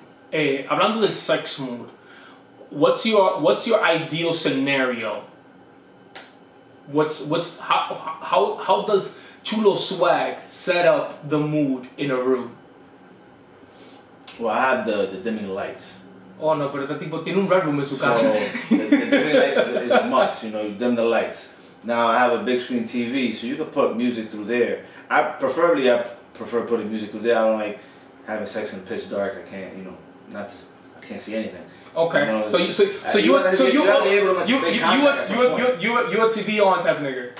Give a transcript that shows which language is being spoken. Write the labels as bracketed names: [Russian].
[English] Hey, [Spanish] hablando del [English] sex mood, what's your ideal scenario? How does Chulo Swag set up the mood in a room? Well, I have the dimming lights. [Spanish] Oh, no, pero este tipo tiene un [English] red room [Spanish] en su casa. [English] So, the dimming lights is a must, you know, you dim the lights. Now, I have a big screen TV, so you can put music through there. I prefer putting music through there. I don't like having sex in pitch dark. I can't, you know, that's, can't see anything. Okay. You know, so you're a TV on type nigga.